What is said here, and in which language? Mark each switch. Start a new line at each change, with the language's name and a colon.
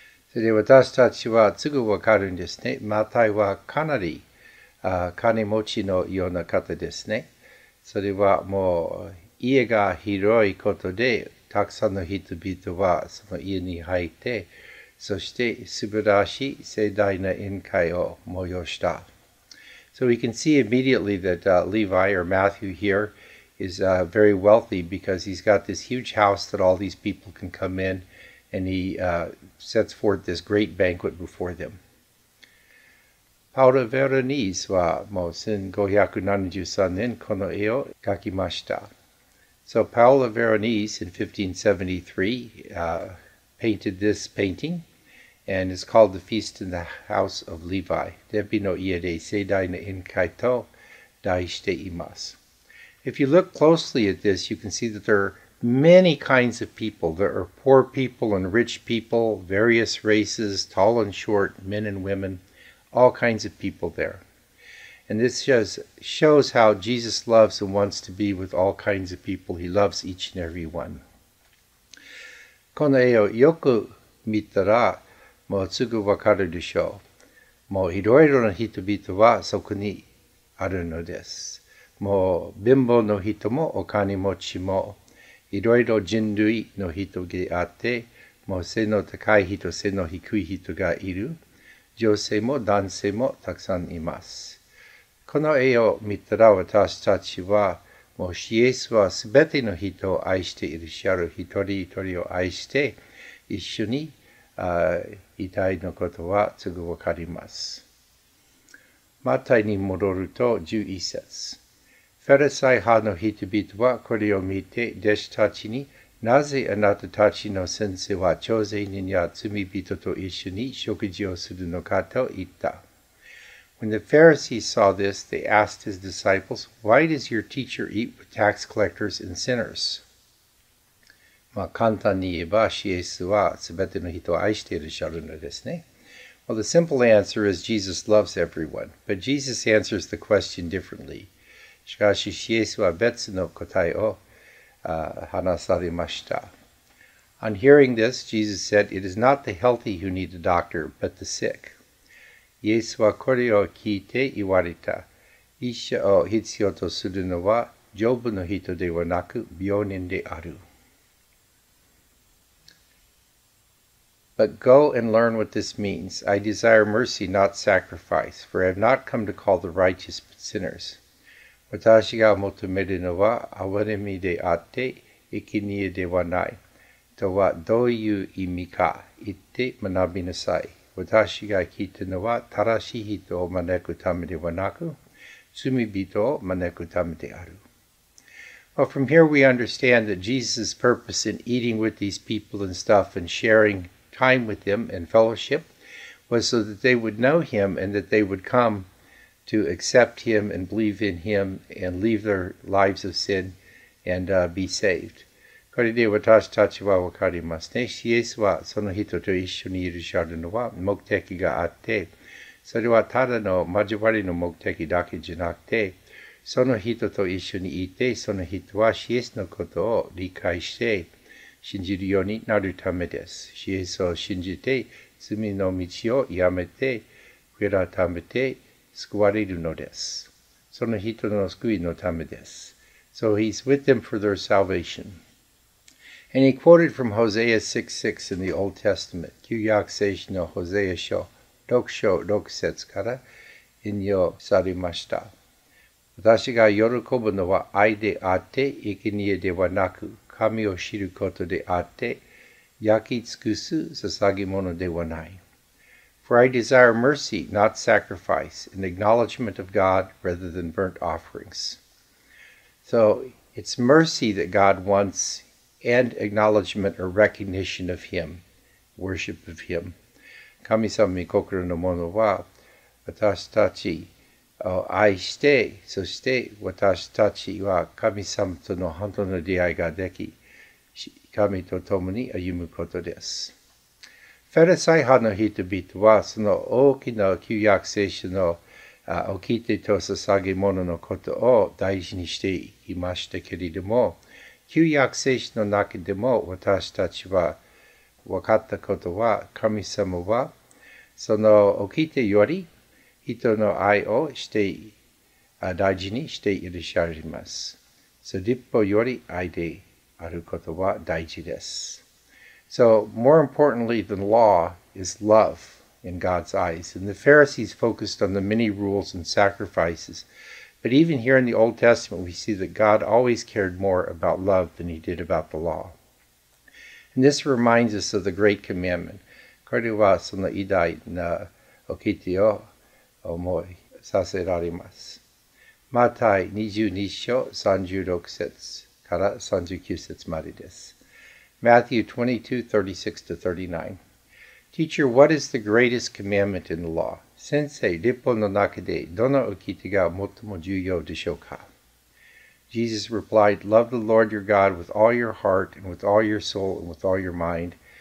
Japanese: それで私たちはすぐわかるんですね。マタイはかなり金持ちのような方ですね。それはもう家が広いことで、たくさんの人々はその家に入って、そして素晴らしい盛大な宴会を催した。
English: So we can see immediately that Levi or Matthew here,is very wealthy because he's got this huge house that all these people can come in and he sets forth this great banquet before them.
Japanese: Paolo Veronese は1573年この絵を描きました。
English: So Paolo Veronese in 1573 painted this painting and it's called The Feast in the House of Levi.
Japanese: デビの家で盛大な宴会と題しています。
English: If you look closely at this, you can see that there are many kinds of people. There are poor people and rich people, various races, tall and short, men and women, all kinds of people there. And this just shows how Jesus loves and wants to be with all kinds of people. He loves each and every one.
Japanese: この絵をよく見たら、もうすぐわかるでしょう。もういろいろな人々はそこにあるのです。もう貧乏の人もお金持ちもいろいろ人類の人であってもう背の高い人背の低い人がいる女性も男性もたくさんいますこの絵を見たら私たちはもうシエスはすべての人を愛していらっしゃる一人一人を愛して一緒にいたいのことはすぐわかりますマタイに戻ると11節ファリサイ派の人々はこれを見て、弟子たちに、なぜあなたたちの先生は徴税人や罪人と一緒に食事をするのかと言った。
English: When the Pharisees saw this, they asked his disciples, Why does your teacher eat with tax collectors and sinners?
Japanese: まあ簡単に言えば、イエスはすべての人を愛しているシャルノですね。
English: Well, the simple answer is Jesus loves everyone, but Jesus answers the question differently.
Japanese: しかし、イエスは別の答えを話されました。
English: On hearing this, Jesus said, It is not the healthy who need a doctor, but the sick.
Japanese: イエスはこれを聞いて言われた。医者を必要とするのは、丈夫の人ではなく、病人である。
English: But go and learn what this means. I desire mercy, not sacrifice, for I have not come to call the righteous, but sinners.
Japanese: 私が求めるのは、憐れみであって、生贄ではない。とはどういう意味か、言って学びなさい。私が聞いたのは、正しい人を招くためではなく、罪人を招くためである。
English: Well, from here we understand that Jesus' purpose in eating with these people and stuff and sharing time with them and fellowship was so that they would know him and that they would come. To accept him and believe in him and leave their lives of sin and be saved.
Japanese: これで私たちは分かりますね。イエスはその人と一緒にいるシャルノは目的があって、それはただの交わりの目的だけじゃなくて、その人と一緒にいて、その人はイエスのことを理解して、信じるようになるためです。イエスを信じて、罪の道をやめて、悔い改めて、救われるのです。その人の救いのためです。
English: So he's with them for their salvation. And he quoted from Hosea 6:6 in the Old Testament.
Japanese: 旧約聖書のホゼア書6章6節から引用されました。私が喜ぶのは愛であって、生贄ではなく、神を知ることであって、焼き尽くす捧げ物ではない。
English: For I desire mercy, not sacrifice, an acknowledgement of God rather than burnt offerings. So it's mercy that God wants and acknowledgement or recognition of Him, worship of Him.
Japanese: 神様に心のものは私たちを愛して、そして私たちは神様との本当の出会いができ、神と共に歩むことです。フェリサイ派の人々はその大きな旧約聖書の掟と捧げ物のことを大事にしていましたけれども、旧約聖書の中でも私たちは分かったことは、神様はその掟より人の愛をして大事にしていらっしゃいます。その立法より愛であることは大事です。
English: So, more importantly than law is love in God's eyes. And the Pharisees focused on the many rules and sacrifices. But even here in the Old Testament, we see that God always cared more about love than he did about the law. And this reminds us of the Great Commandment.
Japanese: これはその偉大な掟を思いさせられます。マタイ22章36節から39節までです。
English: Matthew 22:36-39. Teacher, what is the greatest commandment in the law?
Japanese: 先生、立法の中でどの掟が最も重要でしょうか?
English: Jesus replied, Love the Lord your God with all your heart and with all your soul and with all your mind.